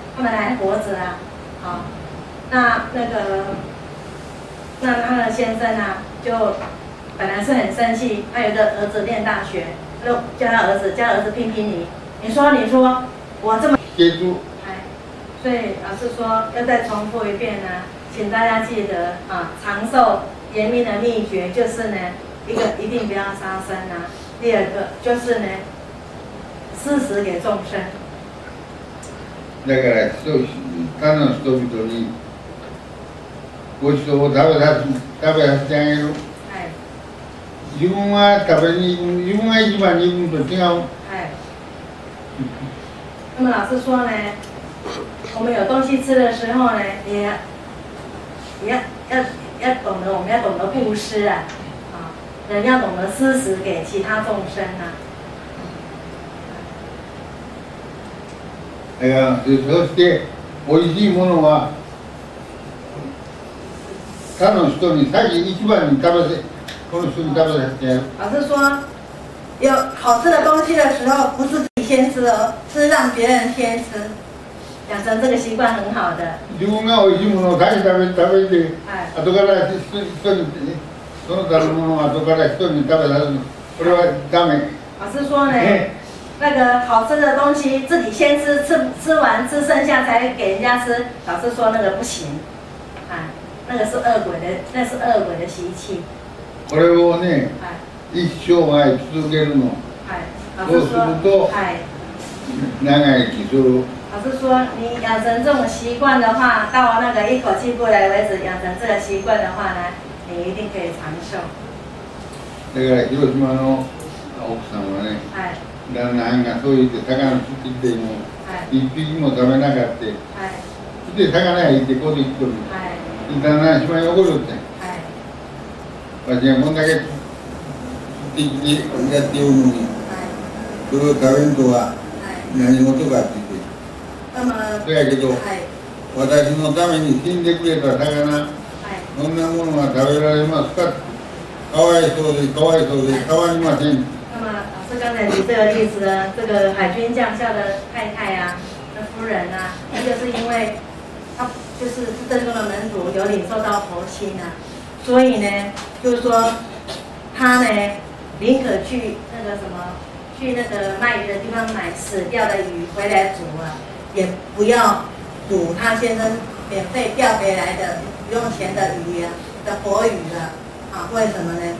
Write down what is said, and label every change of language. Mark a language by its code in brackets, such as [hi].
[zh] 他们还活着啊，好，那那个，那他的先生啊，就本来是很生气，他有个儿子念大学，他就叫他儿子，叫儿子批评你，你说我这么接住，哎，所以老师说要再重复一遍呢、啊，请大家记得啊，长寿延命的秘诀就是呢，一个一定不要杀生啊。第二个就是呢，施食给众生。 [ja] だから他の人々にごちそうを食べさせてあげる。はい。自分は食べに自分が一番に行くと違う。はい。 [zh] 那么老师说呢，我们有东西吃的时候呢，也要懂得，我们要懂得布施啊，人要懂得施食给其他众生啊。 [ja] 哎呀，そして美味しいものは他の人に最初一番に食べさせこの人に食べさせてやる。 [zh] 老师说，有好吃的东西的时候，不是自己先吃哦，是让别人先吃，养成这个习惯很好的。 [ja] 自分が美味しいものを最初食べて、はい、後から人にその食べ物を後から人に食べさせる、これはダメ。 [zh] 老师说呢。那个好吃的东西自己先吃，吃完吃剩下才给人家吃，老师说那个不行，啊，那个是恶鬼的，那是恶鬼的习气。 [ja] これをね、一生涯続けるの。はい。 [zh] 老师说。 [ja] はい。長生きする。 [zh] 老师说，你养成这种习惯的话，到那个一口气不来为止，养成这个习惯的话呢，你一定可以长寿。 [ja] だから広島の奥さんはね。はい。旦那さんがそう言って魚を釣ってきても、はい、一匹も食べなかった、はい、で魚がいてこうで言っとる、はい、旦那さんしまい怒るって、はい、私がこんだけ釣ってきてやっておるのに、はい、それを食べんとは何事かって言って、はい、そやけど、はい、私のために死んでくれた魚、はい、そんなものは食べられますかって、かわいそうでかわいそうで変わりません。 [zh] 刚才举这个例子呢，这个海军将校的太太啊，的夫人啊，她就是因为她就是正宗的门徒，有领受到佛心啊，所以呢，就是说她呢，宁可去那个什么，去那个卖鱼的地方买死掉的鱼回来煮啊，也不要煮她先生免费钓回来的不用钱的鱼啊的活鱼了啊。为什么呢？